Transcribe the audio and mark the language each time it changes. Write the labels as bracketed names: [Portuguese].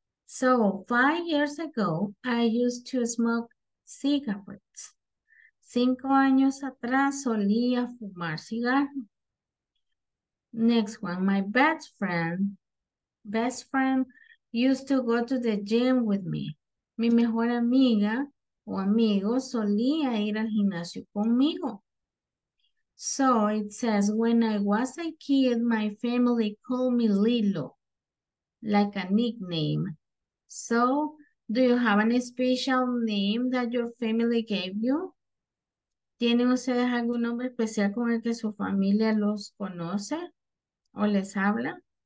[English] So, 5 years ago, I used to smoke cigarettes. [Spanish] 5 años atrás, solía fumar cigarro. [English] Next one, my best friend used to go to the gym with me. [Spanish] Mi mejor amiga o amigo solía ir al gimnasio conmigo. [English] So it says, when I was a kid, my family called me Lilo, like a nickname. So do you have any special name that your family gave you? [Spanish] ¿Tienen ustedes algún nombre especial con el que su familia los conoce o les habla?